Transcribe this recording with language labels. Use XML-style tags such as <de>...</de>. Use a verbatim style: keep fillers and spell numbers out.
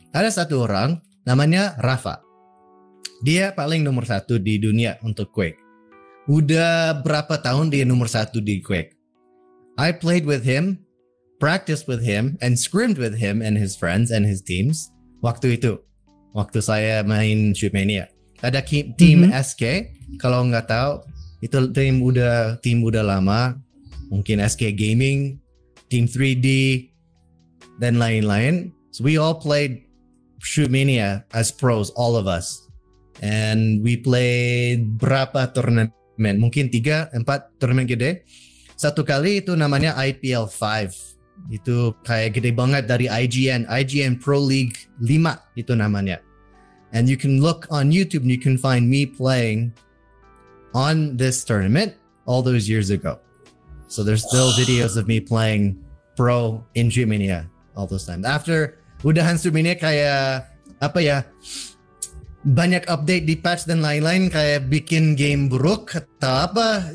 <id>Ada satu orang namanya Rafa. Dia paling nomor satu di dunia untuk Quake. Udah berapa tahun dia nomor satu di Quake.</id> <en>I played with him, practiced with him, and scrimmed with him and his friends and his teams.</en> <id>Waktu itu, waktu saya main Shootmania, ada team mm-hmm. S K. Kalau nggak tahu, itu tim udah tim udah lama. Mungkin S K Gaming, Team three D, dan lain-lain.</id> <en>So we all played Shootmania as pros, all of us, and we played</en> <id>berapa turnamen? Mungkin tiga, empat turnamen gede. Satu kali itu namanya I P L five. Itu kayak gede banget dari I G N, I G N Pro League lima itu namanya.</id> <en>And you can look on YouTube and you can find me playing on this tournament all those years ago. So there's still videos of me playing pro in Shootmania all those times.</en> <id>After udahan Shootmania kayak apa ya? Banyak update di patch dan lain-lain kayak bikin game buruk atau apa.</id>